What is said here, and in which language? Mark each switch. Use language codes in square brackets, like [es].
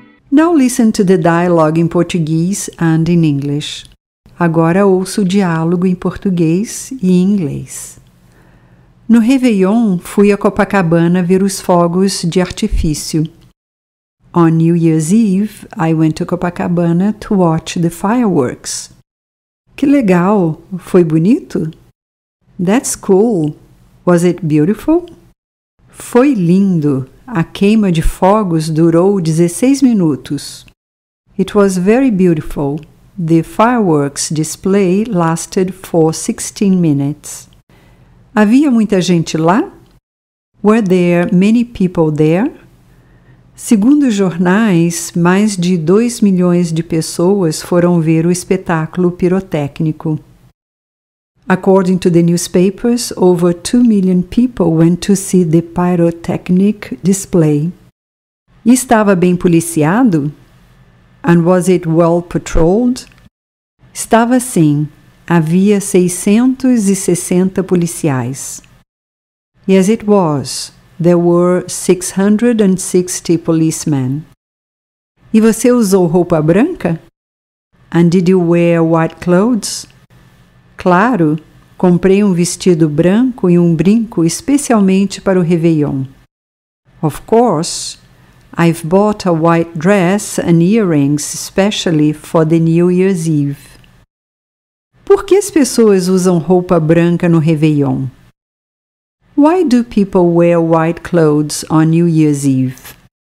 [en] Now listen to the dialogue in Portuguese and in English. [pt] Agora ouço o diálogo em português e em inglês. No Réveillon, fui a Copacabana ver os fogos de artifício. [en] On New Year's Eve, I went to Copacabana to watch the fireworks. [pt] Que legal! Foi bonito? [en] That's cool. Was it beautiful? [pt] Foi lindo. A queima de fogos durou 16 minutos. [en] It was very beautiful. The fireworks display lasted for 16 minutes. [pt] Havia muita gente lá? [en] Were there many people there? [pt] Segundo jornais, mais de 2 milhões de pessoas foram ver o espetáculo pirotécnico. [en] According to the newspapers, over 2 million people went to see the pyrotechnic display. [pt] Estava bem policiado? [en] And was it well patrolled? [pt] Estava sim. Havia 660 policiais. [en] Yes, it was. There were 660 policemen. [pt] E você usou roupa branca? [en] And did you wear white clothes? [pt] Claro. Comprei um vestido branco e um brinco especialmente para o Réveillon. [en] Of course. I've bought a white dress and earrings especially for the New Year's Eve. [pt] Por que as pessoas usam roupa branca no Réveillon? [en] Why do people wear white clothes on New Year's Eve?